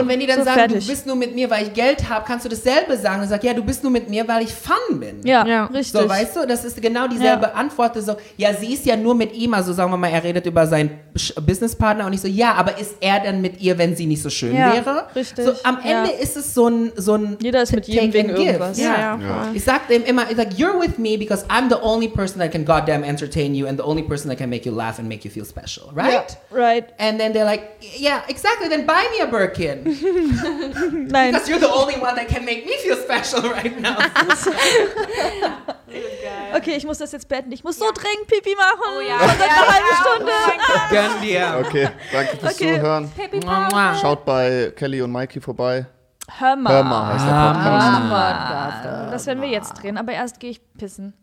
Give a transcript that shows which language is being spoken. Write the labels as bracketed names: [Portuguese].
[German] Und wenn die dann so sagen, fertig. Du bist nur mit mir, weil ich Geld habe, kannst du dasselbe sagen. Und sagst, ja, du bist nur mit mir, weil ich Fun bin. Ja, richtig. So, weißt du, das ist genau dieselbe Antwort. So, ja, sie ist ja nur mit ihm, also sagen wir mal, er redet über seinen Businesspartner und ich so, ja, aber ist er denn mit ihr, wenn sie nicht so schön wäre? Richtig. So, am Ende ist es so ein jeder ist mit jedem wegen irgendwas. Ich sag dem immer, ich sag, [English] you're with me because I'm the only person that can goddamn entertain you and the only person that can make you laugh and make you feel special, right? Yeah, right. And then they're like, yeah, exactly, then buy me a Birkin. [German] Nein. [English] Because you're the only one that can make me feel special right now. [German] Okay, ich muss das jetzt beenden. Ich muss so dringend Pipi machen. Oh ja. Seit einer halben Stunde. Gönn dir. Okay, danke fürs Zuhören. Pipi-Pau. Schaut bei Kelly und Mikey vorbei. Hör mal heißt der Podcast. Das werden wir jetzt drehen, aber erst gehe ich pissen.